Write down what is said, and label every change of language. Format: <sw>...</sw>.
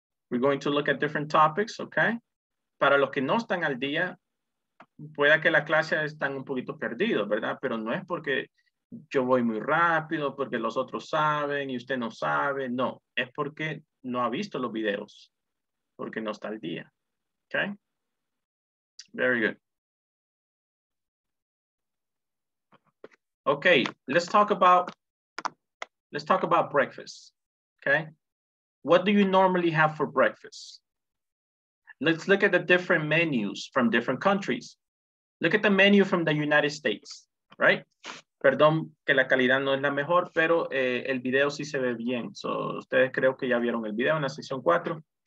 <en>We're going to look at different topics, okay?</en> <es>Para los que no están al día, pueda que la clase están un poquito perdidos, ¿verdad? Pero no es porque yo voy muy rápido, porque los otros saben y usted no sabe. No, es porque no ha visto los videos, porque no está al día, okay?</es> <en>Very good. Okay, let's talk about breakfast, okay? What do you normally have for breakfast? Let's look at the different menus from different countries. Look at the menu from the United States, right?</en> <es>Perdón que la calidad no es la mejor, pero el video sí se ve bien. So, ustedes creo que ya vieron el video en la sección 4.</es>